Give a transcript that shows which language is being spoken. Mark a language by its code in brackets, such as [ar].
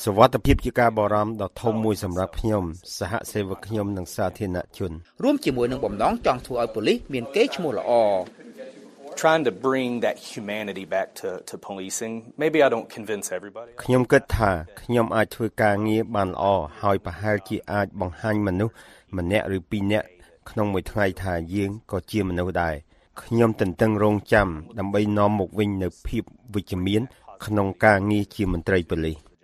[km] សុវត្ថិភាពជាការបារម្ភដ៏ធំមួយសម្រាប់ខ្ញុំសហសេវកខ្ញុំនិងសាធារណជន រួមជាមួយនឹងបំណងចង់ធ្វើឲ្យប៉ូលីសមានកេរ្តិ៍ឈ្មោះល្អ [en] Trying to bring that humanity back to policing. Maybe I don't convince everybody. [km] ខ្ញុំគិតថាខ្ញុំអាចធ្វើការងារបានល្អហើយប្រហែលជាអាចបង្ហាញមនុស្សម្នាក់ឬពីរនាក់ក្នុងមួយថ្ងៃថាយើងក៏ជាមនុស្សដែរខ្ញុំទន្ទឹងរង់ចាំដើម្បីនាំមកវិញនូវភាពវិជ្ជមានក្នុងការងារជាមន្ត្រីប៉ូលីស